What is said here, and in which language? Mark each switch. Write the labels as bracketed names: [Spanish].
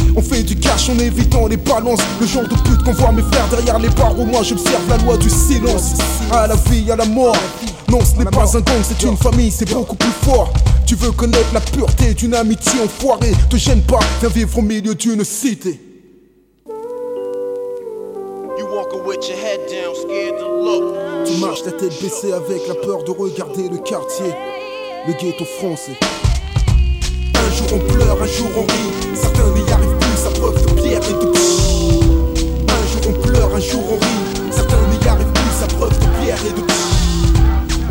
[French] On fait du cash en évitant les balances. Le genre de pute qu'on voit mes frères derrière les barreaux. Moi j'observe la loi du silence. À la vie, à la mort. Non ce n'est pas un gang, c'est une famille, c'est beaucoup plus fort. Tu veux connaître la pureté d'une amitié enfoirée. Te gêne pas, viens vivre au milieu d'une cité. [English] You walking with your head down, scared to look. [French] Tu marches la tête baissée avec la peur de regarder le quartier. Le ghetto français. Un jour on pleure, un jour on rit. Certains n'y arrivent plus à preuve de pierre et de pshhh. Un jour on pleure, un jour on rit. Certains n'y arrivent plus à preuve de pierre et de pshhh.